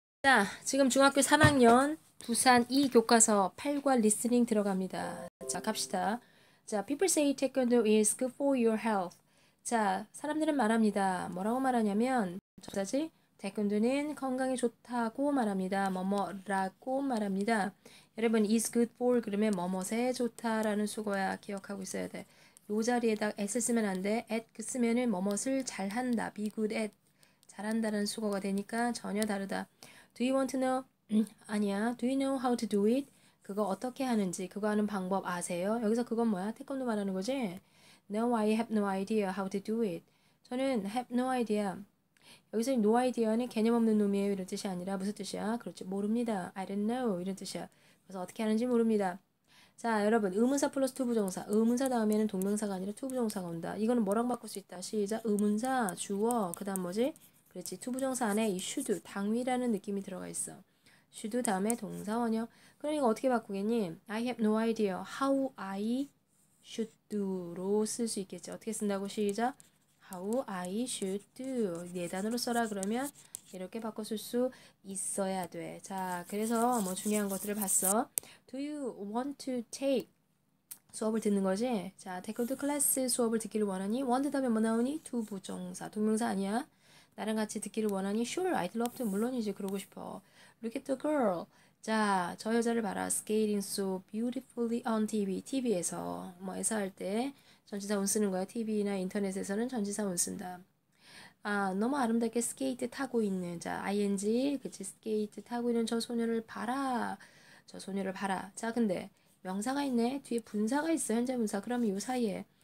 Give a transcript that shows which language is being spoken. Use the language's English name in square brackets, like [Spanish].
[Korean] 자, 지금 중학교 3학년 부산 2 교과서 8과 리스닝 들어갑니다. 자, 갑시다. [English] 자, people say taekwondo is good for your health. [Korean] 자, 사람들은 말합니다. 뭐라고 말하냐면, 접사지? 태권도는 건강에 좋다고 말합니다. 뭐뭐라고 말합니다. 여러분, [English] is good for [Korean] 그러면 뭐뭐세 좋다라는 수거야 기억하고 있어야 돼. 요 자리에다 s 쓰면 안 돼. at 쓰면은 뭐뭐를 잘한다. [English] be good at [Korean] 잘한다는 수거가 되니까 전혀 다르다. [English] Do you want to know? [Korean] 아니야. [English] Do you know how to do it? [Korean] 그거 어떻게 하는지, 그거 하는 방법 아세요? 여기서 그건 뭐야? 태권도 말하는 거지? [English] No, I have no idea how to do it. [Korean] 저는 [English] have no idea. [Korean] 여기서 no idea는 개념 없는 놈이에요. 이런 뜻이 아니라 무슨 뜻이야? 그렇지. 모릅니다. [English] I don't know. [Korean] 이런 뜻이야. 그래서 어떻게 하는지 모릅니다. 자, 여러분. 의문사 플러스 투 부정사. 의문사 다음에는 동명사가 아니라 투 부정사가 온다. 이거는 뭐랑 바꿀 수 있다? 시작. 의문사, 주어, 그 다음 뭐지? 그렇지. 투 부정사 안에 이 should, 당위라는 느낌이 들어가 있어. should 다음에 동사원형. 그럼 이거 어떻게 바꾸겠니? [English] I have no idea how I should do로 [Korean] 쓸수 있겠지. 어떻게 쓴다고? 시작. [English] How I should do. [Korean] 네 단어로 써라 그러면 이렇게 바꿔 쓸수 있어야 돼. 자, 그래서 뭐 중요한 것들을 봤어. [English] Do you want to take [Korean] 수업을 듣는 거지? 자, 태권도 클래스 수업을 듣기를 원하니? want 다음에 뭐 나오니? to 부정사. 동명사 아니야? 나랑 같이 듣기를 원하니? [English] Sure, I'd love to. [Korean] 물론이지, 그러고 싶어. [English] Look at the girl. [Korean] 자, 저 여자를 봐라. [English] Skating so beautifully on TV. [Korean] TV에서. 뭐, 에서 할 때. 전치사 운 쓰는 거야. TV나 인터넷에서는 전치사 운 쓴다. 아, 너무 아름답게 스케이트 타고 있는. 자, ing. 그치. 스케이트 타고 있는 저 소녀를 봐라. 저 소녀를 봐라. 자, 근데. 명사가 있네. 뒤에 분사가 있어. 현재 분사. 그럼 이 사이에.